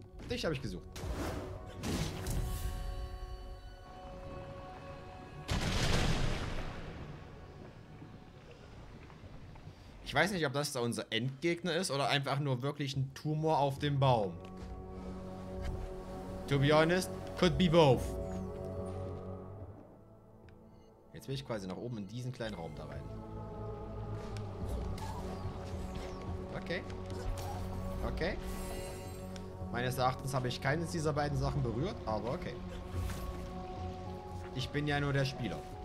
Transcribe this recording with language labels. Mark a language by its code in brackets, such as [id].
[de] Dich habe ich gesucht. Ich weiß nicht, ob das da unser Endgegner ist oder einfach nur wirklich ein Tumor auf dem Baum. [en] To be honest, could be both. [de] Jetzt will ich quasi nach oben in diesen kleinen Raum da rein. Okay. Okay. Meines Erachtens habe ich keines dieser beiden Sachen berührt, aber okay. Ich bin ja nur der Spieler.